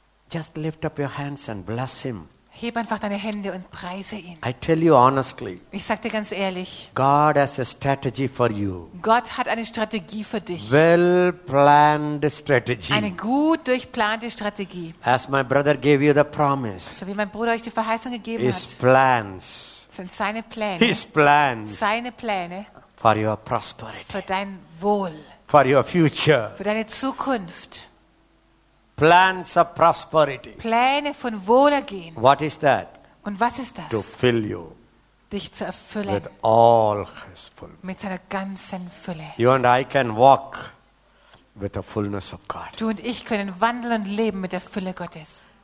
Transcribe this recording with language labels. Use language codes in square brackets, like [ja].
[en] Just lift up your hands and bless him. [de] Heb einfach deine Hände und preise ihn. [en] I tell you honestly, [de] ich sage dir ganz ehrlich, [en] God has a strategy for you. [de] Gott hat eine Strategie für dich. [en] Well-planned strategy. [de] Eine gut durchplante Strategie. [en] As my brother gave you the promise, [de] so wie mein Bruder euch die Verheißung gegeben [en] his [de] hat, [en] plans, [de] sind seine Pläne, [en] his plans, [de] seine Pläne [en] for your prosperity, [de] für dein Wohl, [en] for your future, [de] für deine Zukunft. [en] Plans of prosperity. [de] Pläne von Wohlergehen. [en] What is that? [de] Und was ist das? [en] To fill you. [de] Dich zu erfüllen. [en] With all his fullness. [de] Mit seiner ganzen Fülle. [en] You and I can walk with the fullness of God. [de] Du und ich können wandeln und leben mit der Fülle Gottes.